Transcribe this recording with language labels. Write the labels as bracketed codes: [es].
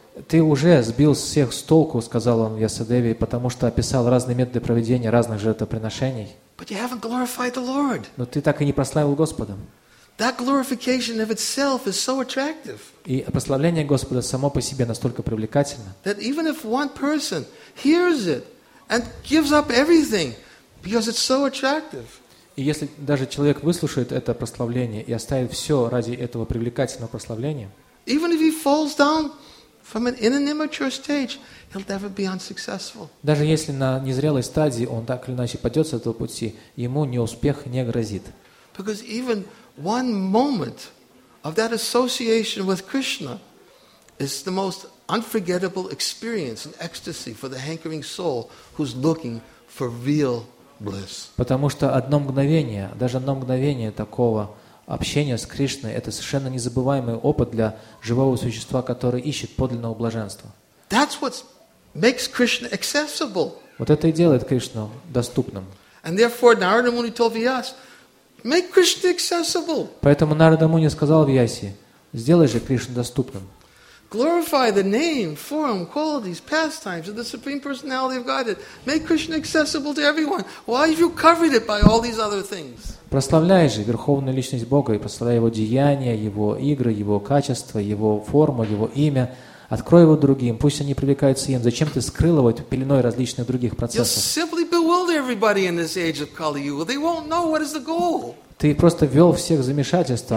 [ru] Ты уже сбил всех с толку, сказал он Вьясадеве, потому что описал разные методы проведения разных жертвоприношений. [en] But you haven't glorified the Lord. [ru] Но ты так и не прославил Господа. [en] That glorification of itself is so attractive. [ru] И прославление Господа само по себе настолько привлекательно. [en] That even if one person hears it and gives up everything because it's so attractive. [ru] И если даже человек выслушает это прославление и оставит все ради этого привлекательного прославления. [en] Even if he falls down from an immature stage, he'll never be unsuccessful. [ru] Даже если на незрелой стадии он так или иначе падет с этого пути, ему неуспех не грозит. [en] Because even one moment of that association with Krishna is the most unforgettable experience and ecstasy for the hankering soul who's looking for real bliss. [ru] Потому что одно мгновение, даже одно мгновение такого общения с Кришной, это совершенно незабываемый опыт для живого существа, который ищет подлинного блаженства. [en] That's what makes Krishna accessible. [ru] Вот это и делает Кришну доступным. [en] And therefore, Narada Muni told Vyas, make Krishna accessible. [ru] Поэтому Нарада Муни сказал Вьясе, сделай же Кришну доступным. [en] Glorify the name, form, qualities, pastimes of the Supreme Personality of Godhead. Make Krishna accessible to everyone. Why have you covered it by all these other things? [ru] Прославляй же Верховную Личность Бога и прославляй Его деяния, Его игры, Его качества, Его форму, Его имя. Открой его другим, пусть они привлекаются им. Зачем ты скрыл его пеленой различных других процессов? Ты просто ввел всех в замешательство.